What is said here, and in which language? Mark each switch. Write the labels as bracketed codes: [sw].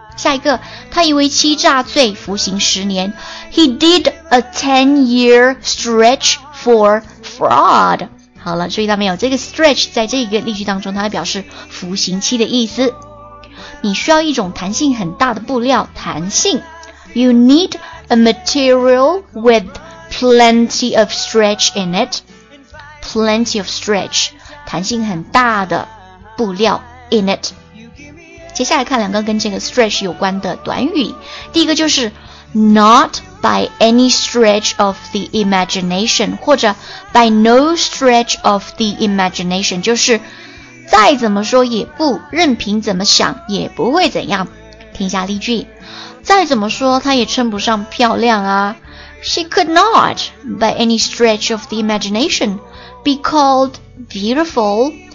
[zh] 下一个，他因为欺诈罪服刑十年。 [en] He did a 10-year stretch for fraud. [zh] 好了，注意到没有？这个 stretch 在这个例句当中，它表示服刑期的意思。你需要一种弹性很大的布料，弹性。 [en] You need a material with plenty of stretch in it. Plenty of stretch, [zh] 弹性很大的布料 [en] in it. [zh] 接下来看两个跟这个 stretch 有关的短语。第一个就是 [en] not by any stretch of the imagination, [zh] 或者 [en] by no stretch of the imagination, [zh] 就是再怎么说也不，任凭怎么想也不会怎样。听一下例句，再怎么说她也称不上漂亮啊。 [en] She could not, by any stretch of the imagination, be called beautiful.